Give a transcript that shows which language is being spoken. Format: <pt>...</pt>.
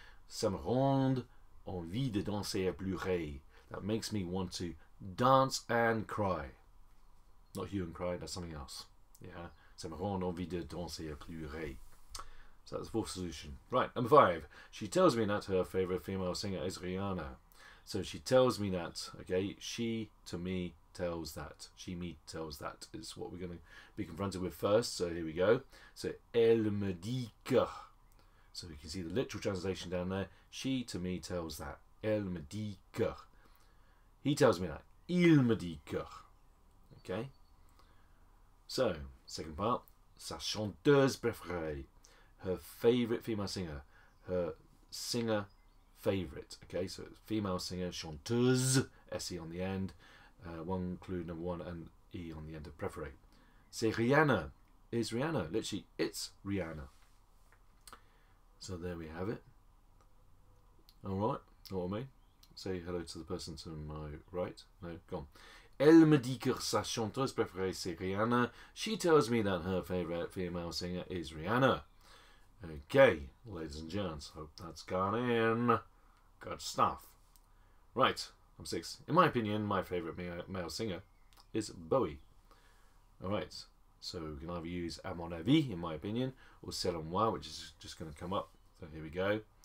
<fr>Ça me rend envie de danser et pleurer.</fr> <en>That makes me want to dance and cry. Not hue and cry, that's something else.</en> <fr>Yeah, ça me rend envie de danser et pleurer.</fr> <en>So that's the 4th solution. Right, number 5. She tells me that her favourite female singer is Rihanna. So she tells me that, okay, she to me tells that, she me tells that is what we're going to be confronted with first. So here we go. So</en> <fr>elle me dit que,</fr> <en>So we can see the literal translation down there. She to me tells that.</en> <fr>Elle me dit que.</fr> <en>He tells me that.</en> <fr>Il me dit que.</fr> <en>Okay. So, second part.</en> <fr>Sa chanteuse préférée.</fr> <en>Her favourite female singer. Her singer favourite. Okay, so it's female singer, chanteuse, S-E on the end. One clue, number one, and E on the end of préféré.</en> <fr>C'est Rihanna.</fr> <en>Is Rihanna. Literally, it's Rihanna. So there we have it. Alright, not on me. Say hello to the person to my right. No, gone.</en> <fr>Elle me dit que sa chanteuse préférée c'est Rihanna.</fr> <en>She tells me that her favourite female singer is Rihanna. Okay, ladies and gents, hope that's gone in. Good stuff. Right, I'm six. In my opinion, my favourite male singer is Bowie. Alright, so we can either use</en> <fr>A mon avis,</fr> <en>in my opinion, or</en> <fr>Selon moi,</fr> <en>which is just going to come up. So here we go.</en>